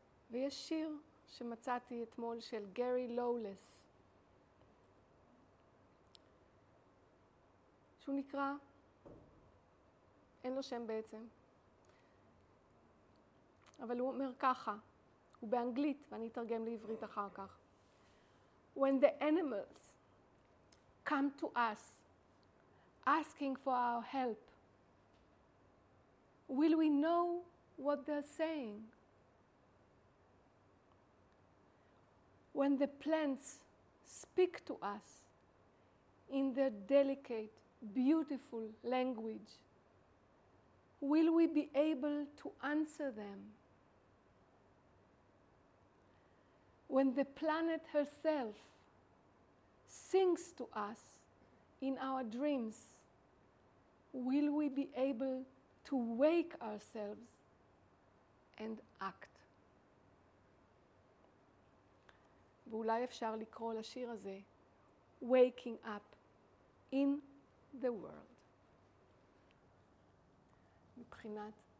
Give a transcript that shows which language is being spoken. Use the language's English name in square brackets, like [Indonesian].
[Hebrew] ויש שיר שמצאתי אתמול של גרי לולס, שהוא נקרא, אין לו שם בעצם, אבל הוא אומר ככה, הוא באנגלית ואני אתרגם לעברית אחר כך. [English] When the animals come to us asking for our help, will we know what they're saying? When the plants speak to us in their delicate, beautiful language, will we be able to answer them? When the planet herself sings to us in our dreams, will we be able to wake ourselves and act? [Hebrew] ואולי אפשר לקרוא לשיר הזה Waking Up in the World, מבחינת